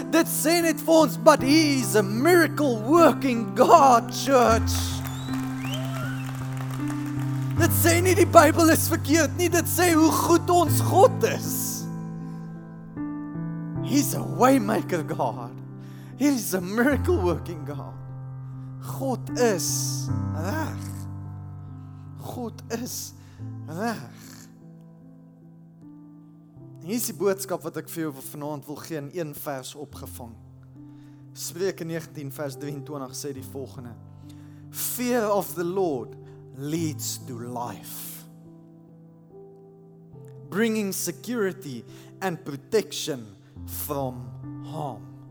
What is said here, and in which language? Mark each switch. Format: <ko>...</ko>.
<en>Dit sê net vir ons, but he is a miracle working God, church.</en> <af>Dit sê nie die Bybel is verkeerd nie. Dit sê hoe goed ons God is.</af> <en>He's a waymaker God. He is a miracle working God.</en> <af>God is reg. God is reg. Hier is die boodskap wat ek vir jou vanaand wil gee in 1 vers opgevang. Spreuke 19 vers 23 sê die volgende.</af> <en>Fear of the Lord leads to life. Bringing security and protection from harm.</en>